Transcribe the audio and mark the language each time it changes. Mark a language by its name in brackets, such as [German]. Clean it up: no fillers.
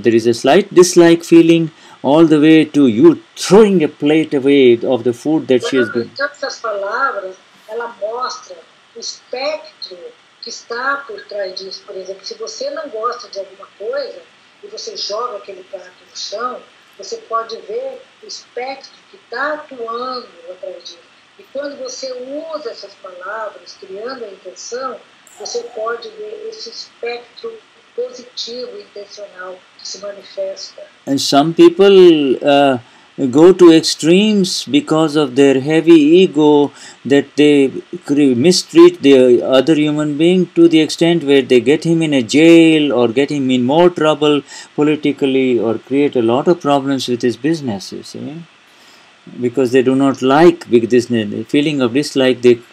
[English] There is a slight dislike feeling all the way to you throwing a plate away of the food that she has been. [Portuguese] Essas palavras, ela mostra o espectro que está por trás disso. Por exemplo, se você não gosta de alguma coisa e você joga aquele prato no chão, você pode ver o espectro que está atuando atrás disso. E quando você usa essas palavras, criando a intenção, você pode ver esse espectro positivo, intencional, que se manifesta. [English] And some people go to extremes because of their heavy ego, that they mistreat the other human being to the extent where they get him in a jail or get him in more trouble politically or create a lot of problems with his business, you see, because they do not like this feeling of dislike.